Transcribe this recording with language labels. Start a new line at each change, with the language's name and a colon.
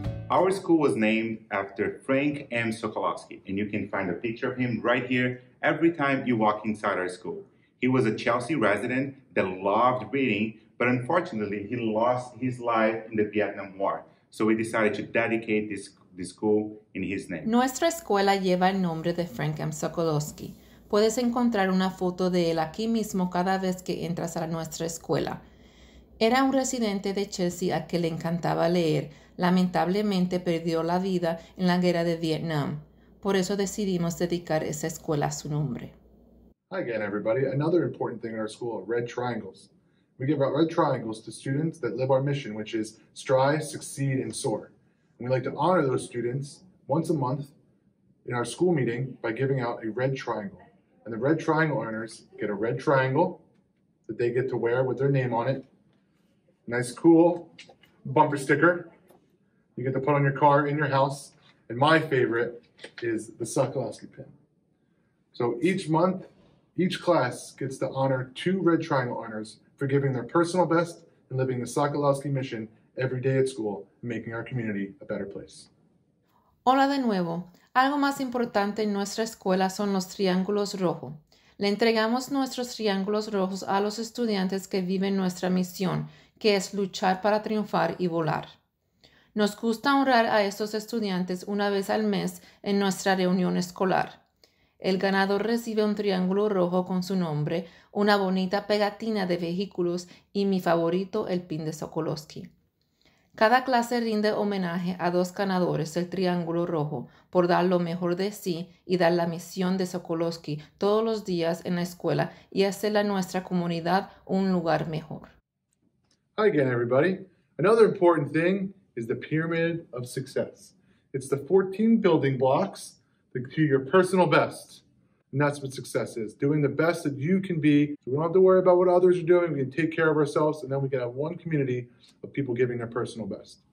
English: Our school was named after Frank M. Sokolowski, and you can find a picture of him right here every time you walk inside our school. He was a Chelsea resident that loved reading, but unfortunately he lost his life in the Vietnam War, so we decided to dedicate this school in his name.
Spanish: Nuestra escuela lleva el nombre de Frank M. Sokolowski. Puedes encontrar una foto de él aquí mismo cada vez que entras a nuestra escuela. Era un residente de Chelsea a quien le encantaba leer. Lamentablemente perdió la vida en la guerra de Vietnam. Por eso decidimos dedicar esa escuela a su nombre.
English: Hi again, everybody. Another important thing in our school are red triangles. We give out red triangles to students that live our mission, which is strive, succeed, and soar. And we like to honor those students once a month in our school meeting by giving out a red triangle. And the red triangle earners get a red triangle that they get to wear with their name on it. Nice, cool bumper sticker you get to put on your car in your house. And my favorite is the Sokolowski pin. So each month, each class gets to honor two red triangle honors for giving their personal best and living the Sokolowski mission every day at school, making our community a better place.
Spanish: Hola de nuevo. Algo más importante en nuestra escuela son los triángulos rojos. Le entregamos nuestros triángulos rojos a los estudiantes que viven nuestra misión, que es luchar para triunfar y volar. Nos gusta honrar a estos estudiantes una vez al mes en nuestra reunión escolar. El ganador recibe un triángulo rojo con su nombre, una bonita pegatina de vehículos y mi favorito, el pin de Sokolowski. Cada clase rinde homenaje a dos ganadores del triángulo rojo por dar lo mejor de sí y dar la misión de Sokolowski todos los días en la escuela y hacer a nuestra comunidad un lugar mejor.
English: Hi again, everybody. Another important thing is the pyramid of success. It's the 14 building blocks to your personal best. And that's what success is, doing the best that you can be. So we don't have to worry about what others are doing. We can take care of ourselves, and then we can have one community of people giving their personal best.